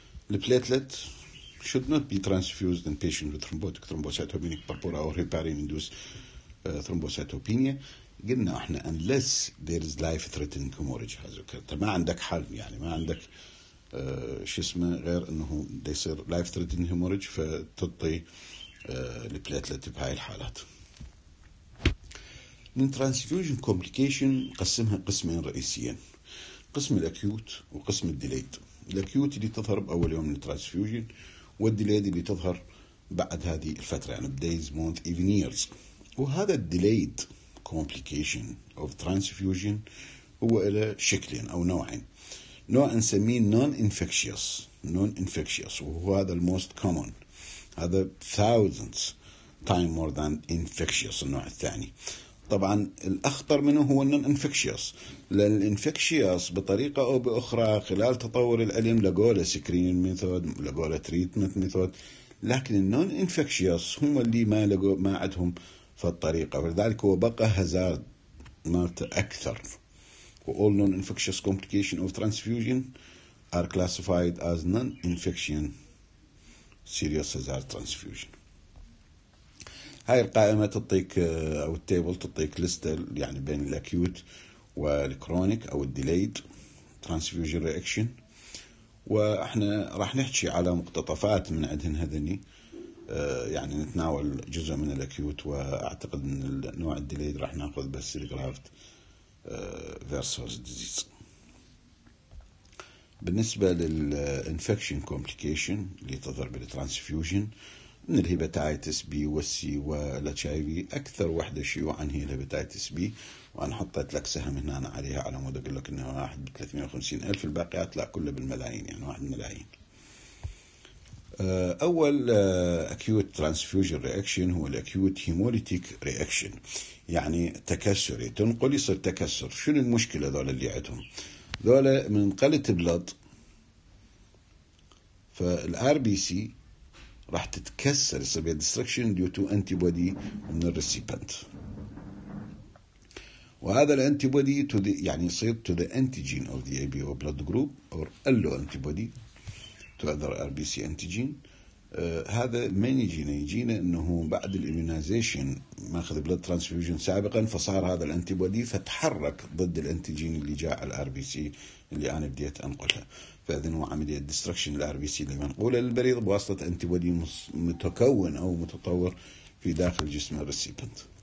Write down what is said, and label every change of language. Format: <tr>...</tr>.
<en>البليتلت should not be transfused in patient with thrombotic thrombocytopenic purpura or heparin induced thrombocytopenia.</en> <ar>قلنا احنا</ar> <en>unless there is life threatening hemorrhage has occurred،</en> <ar>ما عندك حل يعني ما عندك شو اسمه غير انه يصير</ar> <en>life threatening hemorrhage</en> <ar>فتعطي البليتلت بهاي الحالات. من ترانسفيوجن كومبليكيشن قسمها قسمين رئيسيين، قسم الأكيوت وقسم الديليد. الأكيوت اللي تظهر بأول يوم من الترانسفيوجن، والديليد اللي تظهر بعد هذه الفترة يعني</ar> <en>days, months, even years.</en> <ar>وهذا</ar> <en>delayed complication of transfusion</en> <ar>هو إلى شكلين أو نوعين. نوع نسميه non-infectious.</ar> <en>Non-infectious.</en> <ar>وهذا</ar> <en>the most common.</en> <ar>هذا</ar> <en>thousands time more than infectious</en> <ar>النوع الثاني. طبعا الأخطر منه هو non-infectious. لأن الانفكشيوس بطريقة أو بأخرى خلال تطور العلم لقولة</ar> <en>screening method</en> <ar>لقولة</ar> <en>treatment method.</en> <ar>لكن non-infectious هم اللي ما لقوا ما عندهم في الطريقة. ولذلك هو بقى hazard مالت أكثر.</ar> <en>All non-infectious complications of transfusion are classified as non-infection serious hazard transfusion.</en> <ar>هاي القائمة تعطيك أو التابل تعطيك لستة يعني بين الأكيوت والكرونيك أو الديليد transfusion reaction. وإحنا راح نحكي على مقتطفات من عدهن هذني يعني نتناول جزء من الأكيوت وأعتقد أن النوع الديليد راح نأخذ بس الغرافت versus disease. بالنسبة للinfection complication اللي تظهر بالtransfusion من الهيباتيتس بي والسي والHIV أكثر واحدة شيوعا هي الهيباتيتس بي وأنا حطيت لك سهم هنا أنا عليها على مود أقول لك إنها 1 ب 350,000 الباقيات لا كله بالملايين يعني 1 ملايين. أول</ar> <en>acute transfusion reaction</en> <ar>هو</ar> <en>acute hemolytic reaction</en> <ar>يعني تكسري تنقل يصير تكسر. شنو المشكلة ذولا اللي عندهم ذولا من قلت بلد فالRBC راح تتكسر يصير</ar> <en>destruction due to antibody</en> <ar>من الريسيبنت وهذا الانتيبودي يعني يصير</ar> <en>to the antigen of the ABO blood group or allo antibody to other RBC antigen.</en> <ar>هذا من يجينا انه بعد الاميونيزيشن ماخذ بلد ترانسفيوجن سابقا فصار هذا الانتيبودي فتحرك ضد الانتيجين اللي جاء على RBC اللي انا بديت انقلها فاذا هو عملية destruction RBC اللي منقوله للبريض بواسطة انتيبودي متكون او متطور في داخل جسم الريسيبنت.</ar>